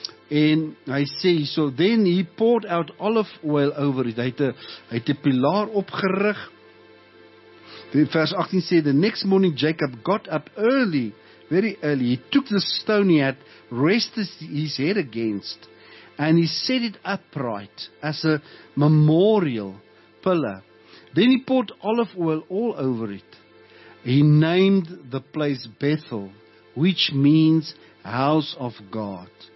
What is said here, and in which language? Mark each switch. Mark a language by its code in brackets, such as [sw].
[af] En hy sê, [en] so then he poured out olive oil over it. [af] Hy het die pilaar opgerig. Vers 18 sê, [en] the next morning Jacob got up early, very early. He took the stone he had, rested his head against, and he set it upright as a memorial pillar. Then he poured olive oil all over it. He named the place Bethel, which means house of God.